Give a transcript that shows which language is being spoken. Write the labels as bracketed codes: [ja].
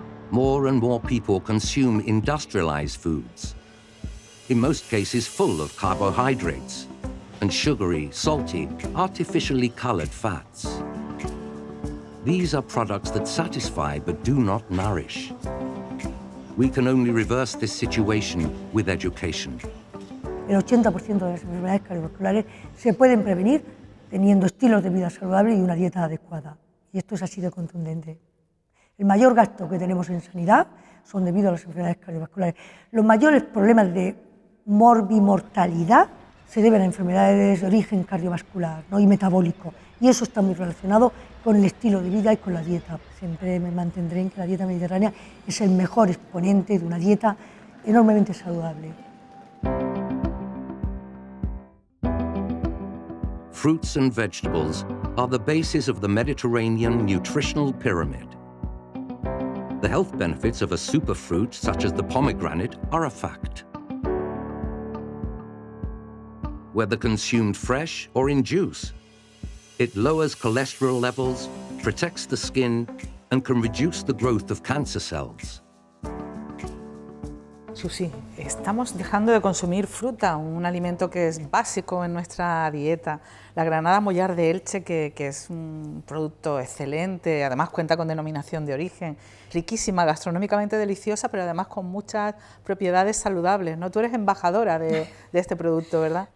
[en] More and more people consume industrialized foods, in most cases full of carbohydrates and sugary, salty, artificially colored fats. These are products that satisfy but do not nourish. We can only reverse this situation with education. [es] El 80% de las enfermedades cardiovasculares se pueden prevenir teniendo estilos de vida saludables y una dieta adecuada. Y esto es así de contundente. El mayor gasto que tenemos en sanidad son debido a las enfermedades cardiovasculares. Los mayores problemas de morbimortalidad se deben a enfermedades de origen cardiovascular, ¿no?, y metabólico. Y eso está muy relacionado con el estilo de vida y con la dieta. Siempre me mantendré en que la dieta mediterránea es el mejor exponente de una dieta enormemente saludable. [en] Fruits and vegetables are the basis of the Mediterranean nutritional pyramid. The health benefits of a superfruit such as the pomegranate are a fact. Whether consumed fresh or in juice, it lowers cholesterol levels, protects the skin, and can reduce the growth of cancer cells. [es] Susi, estamos dejando de consumir fruta, un alimento que es básico en nuestra dieta. La granada mollar de Elche, que es un producto excelente, además cuenta con denominación de origen, riquísima, gastronómicamente deliciosa, pero además con muchas propiedades saludables, ¿no? Tú eres embajadora de este producto, ¿verdad?